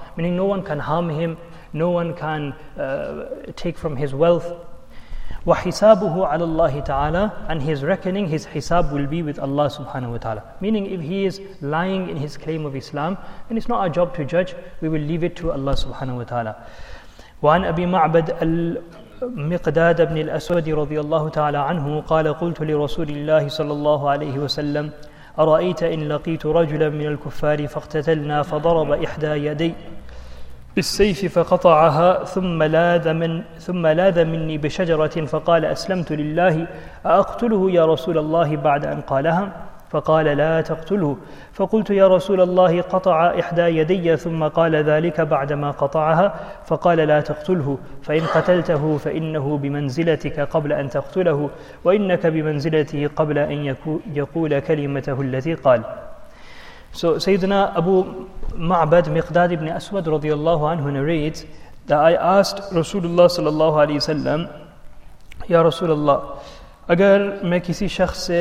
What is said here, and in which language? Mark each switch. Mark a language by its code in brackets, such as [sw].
[en] Meaning no one can harm him, no one can take from his wealth. [ar] وَحِسَابُهُ عَلَى اللَّهِ تَعَالَى, [en] and his reckoning, his hisab will be with Allah subhanahu wa ta'ala. Meaning if he is lying in his claim of Islam, then it's not our job to judge, we will leave it to Allah subhanahu wa ta'ala. [ar] وَعَنْ أَبِي مَعْبَدَ الْمِقْدَادَ بْنِ الْأَسْوَدِ رَضِيَ اللَّهُ تَعَالَى عَنْهُ قَالَ قُلْتُ لِرَسُولِ اللَّهِ صَلَى اللَّهُ عَلَيْهِ وَسَلَّمْ أَرَأَيْتَ إِنْ لَقِيتُ رَجُلًا مِنَ الْكُفَّارِ فَاقْتَتَلْنَا فَضَرَبَ إِحْدَى يدي بالسيف فقطعها ثم لاذ مني بشجرة فقال أسلمت لله أقتله يا رسول الله بعد أن قالها فقال لا تقتله فقلت يا رسول الله قطع إحدى يدي ثم قال ذلك بعدما قطعها فقال لا تقتله فإن قتلته فإنه بمنزلتك قبل أن تقتله وإنك بمنزلته قبل أن يقول كلمته التي قال. [en] So Sayyidina Abu Ma'bad Miqdad ibn Aswad radiallahu anhu narrates that I asked Rasulullah sallallahu alayhi wa sallam, Ya Rasulullah, [ur] agar main kisi shakhs